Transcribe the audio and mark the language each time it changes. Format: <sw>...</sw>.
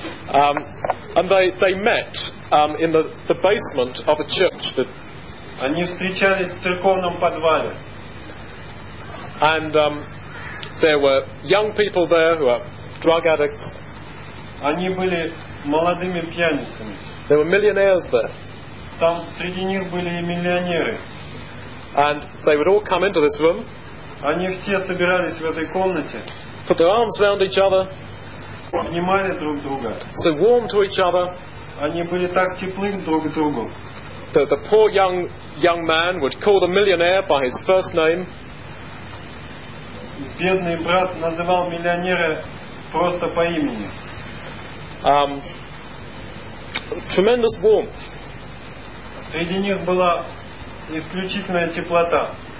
<en>And they met in the basement of a church.</en> <ru>Они встречались в церковном подвале.</ru> <en>And there were young people there who are drug addicts.</en> <ru>Они были молодыми пьяницами.</ru> <en>There were millionaires there.</en> <ru>Там среди них были и миллионеры.</ru> <en>And they would all come into this room.</en> <ru>Они все собирались в этой комнате.</ru> <en>Put their arms around each other.</en> <ru>Обнимали друг друга.</ru> <en>So warm to each other.</en> <ru>Они были так теплы друг к другу.</ru> <en>The poor young man would call the millionaire by his first name.</en> <ru>Бедный брат называл миллионера просто по имени.</ru> <en>Tremendous warmth.</en> <ru>Среди них была исключительная теплота.</ru>